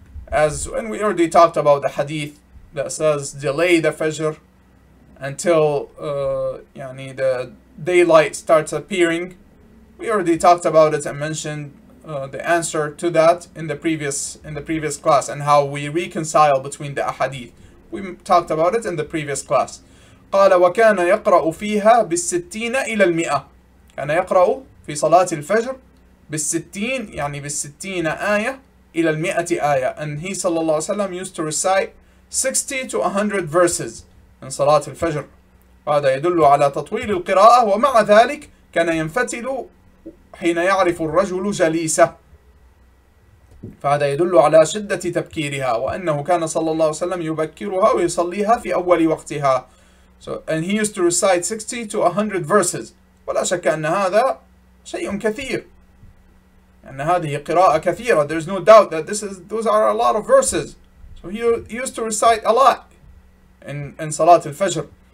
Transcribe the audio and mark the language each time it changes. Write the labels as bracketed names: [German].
[English] And we already talked about the hadith that says delay the Fajr until the daylight starts appearing. We already talked about it and mentioned the answer to that in the previous class and how we reconcile between the ahadith. We talked about it in the previous class. [Arabic] قال وكان يقرأ فيها بالستين إلى المئة. كان يقرأ في صلاة الفجر بالستين يعني بالستين آية إلى المئة آية. [English] And he [Arabic] صلى الله عليه وسلم [English] used to recite 60 to 100 verses in صلاة الفجر. [Arabic] هذا يدل على تطويل القراءة ومع ذلك كان ينفتل حين يعرف الرجل جليسة. فهذا يدل على شدة تبكيرها وأنه كان صلى الله عليه وسلم يبكرها ويصليها في أول وقتها. [English] So, and he used to recite 60 to 100 verses. [Arabic] ولا شك أن هذا شيء كثير. أن هذه قراءة كثيرة. [English] There's no doubt that those are a lot of verses. So he used to recite a lot in صلاة الفجر.